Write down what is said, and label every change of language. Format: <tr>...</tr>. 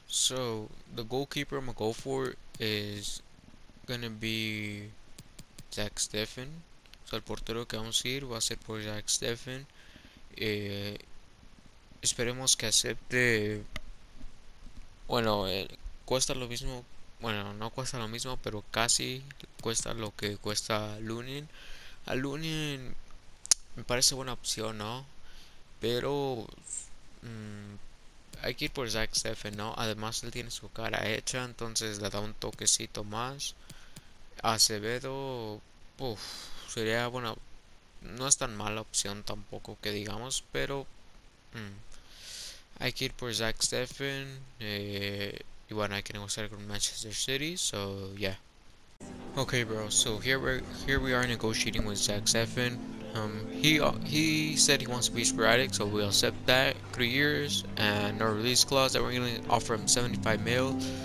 <en>So the goalkeeper I'm gonna go for is gonna be Zach Steffen.</en> <es>So el portero que vamos a ir va a ser por Zach Steffen. Esperemos que acepte. Bueno, cuesta lo mismo. Bueno, no cuesta lo mismo, pero casi cuesta lo que cuesta Lunin. A Lunin me parece buena opción, ¿no? Pero hay que ir por Zach Steffen, ¿no? Además, él tiene su cara hecha, entonces le da un toquecito más. Acevedo, uff, sería bueno. No es tan mala opción tampoco que digamos, pero hay que ir por Zach Steffen. Y bueno, hay que negociar con Manchester City,</es> <en>so yeah. Okay, bro, so here we are negotiating with Zach Steffen. He said he wants to be sporadic, so we'll accept that. 3 years and no release clause, that we're gonna offer him 75 mil.</en>